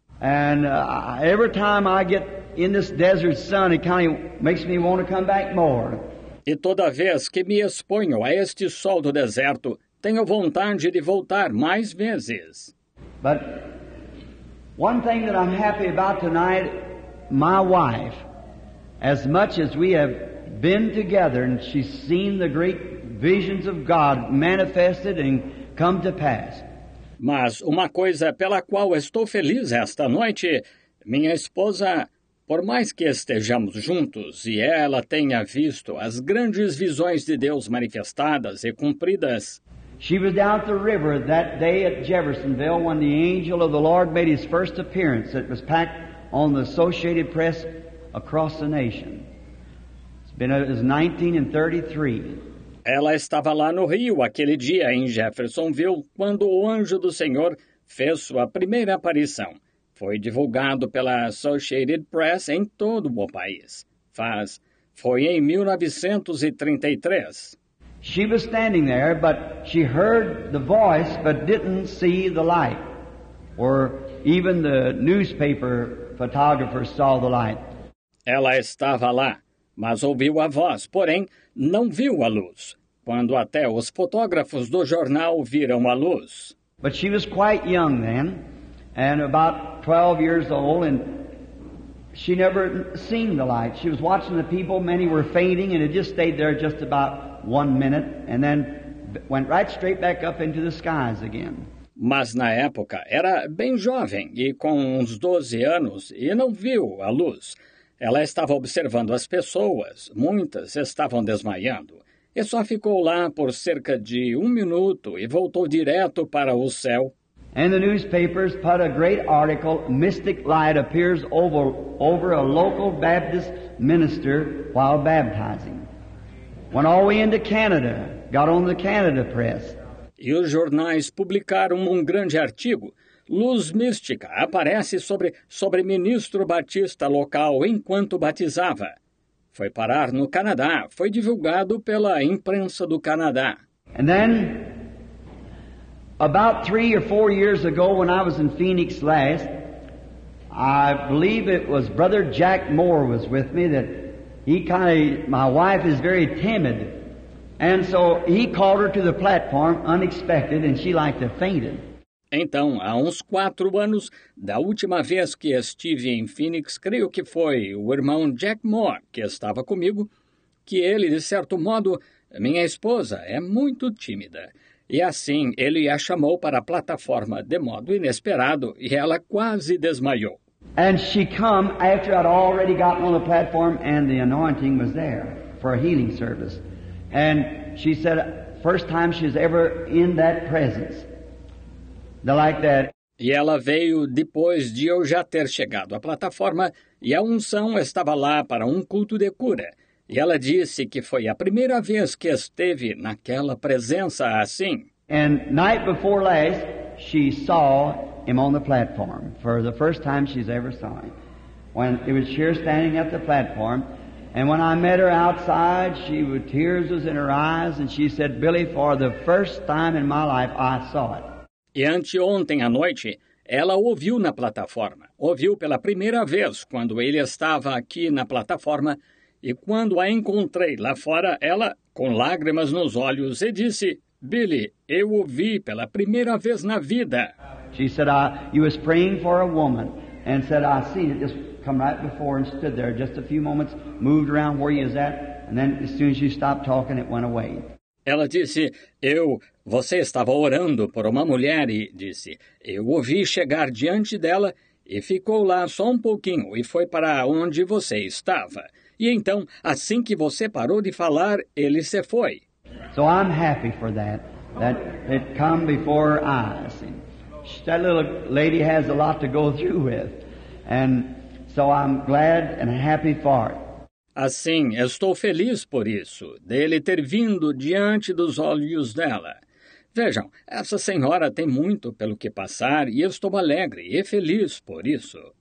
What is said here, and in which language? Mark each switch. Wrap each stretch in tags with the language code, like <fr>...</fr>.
<en>And every time I get in this desert sun, it kind of makes me want to come back more.</en> <pt>E toda vez que me exponho a este sol do deserto, tenho vontade de voltar mais vezes.</pt> <en>But one thing that I'm happy about tonight, my wife, as much as we have been together and she's seen the great visions of God manifested and come to pass.</en> <pt>Mas uma coisa pela qual estou feliz esta noite, minha esposa, por mais que estejamos juntos e ela tenha visto as grandes visões de Deus manifestadas e cumpridas.</pt> <en>She was down at the river that day at Jeffersonville when the angel of the Lord made his first appearance. It was packed on the Associated Press across the nation. It was 1933.</en> <pt>Ela estava lá no Rio aquele dia em Jeffersonville quando o anjo do Senhor fez sua primeira aparição. Foi divulgado pela Associated Press em todo o país. Foi em 1933.</pt> <en>She was standing there, but she heard the voice, but didn't see the light. Or even the newspaper photographer saw the light.</en> <pt>Ela estava lá, mas ouviu a voz, porém não viu a luz. Quando até os fotógrafos do jornal viram a luz.</pt> <en>But she was quite young then, and about 12 years old, and she never seen the light. She was watching the people, many were fainting, and it just stayed there just about 1 minute, and then went right straight back up into the skies again.</en> <pt>Mas na época era bem jovem e com uns 12 anos e não viu a luz. Ela estava observando as pessoas, muitas estavam desmaiando, e só ficou lá por cerca de 1 minuto e voltou direto para o céu.</pt> <en>And the newspapers put a great article, "Mystic Light Appears Over a Local Baptist Minister While Baptizing." Went all the way into Canada, got on the Canada Press.</en> <pt>E os jornais publicaram um grande artigo, "Luz Mística Aparece sobre Ministro Batista Local Enquanto Batizava." Foi parar no Canadá, foi divulgado pela imprensa do Canadá.</pt> <en>And then, about 3 or 4 years ago, when I was in Phoenix last, I believe it was Brother Jack Moore was with me, that he kind of, my wife is very timid, and so he called her to the platform unexpected, and she liked to faint it.</en> <pt>Então, há uns 4 anos, da última vez que estive em Phoenix, creio que foi o irmão Jack Moore que estava comigo, que ele, de certo modo, minha esposa, é muito tímida. E assim, ele a chamou para a plataforma de modo inesperado e ela quase desmaiou.</pt> <en>And she come after I'd already gotten on the platform and the anointing was there for a healing service. And she said, first time she's ever in that presence. Like that.</en> <pt>E ela veio depois de eu já ter chegado à plataforma e a unção estava lá para um culto de cura. E ela disse que foi a primeira vez que esteve naquela presença assim.</pt> <en>And night before last, she saw him on the platform for the first time she's ever saw him. When it was here standing at the platform, and when I met her outside, she with tears was in her eyes, and she said, "Billy, for the first time in my life, I saw it."</en> <pt>E anteontem à noite, ela ouviu na plataforma, ouviu pela primeira vez quando ele estava aqui na plataforma, e quando a encontrei lá fora, ela, com lágrimas nos olhos, e disse, "Billy, eu o vi pela primeira vez na vida."</pt> <en>She said, "You was praying for a woman," and said, "I seen it just come right before and stood there just a few moments, moved around where you was at, and then as soon as you stopped talking, it went away."</en> <pt>Ela disse, você estava orando por uma mulher e disse, eu o vi chegar diante dela e ficou lá só um pouquinho e foi para onde você estava. E então, assim que você parou de falar, ele se foi.</pt> <en>So I'm happy for that, that it come before her eyes. That little lady has a lot to go through with. And so I'm glad and happy for it.</en> <pt>Assim, estou feliz por isso, dele ter vindo diante dos olhos dela. Vejam, essa senhora tem muito pelo que passar e estou alegre e feliz por isso.</pt>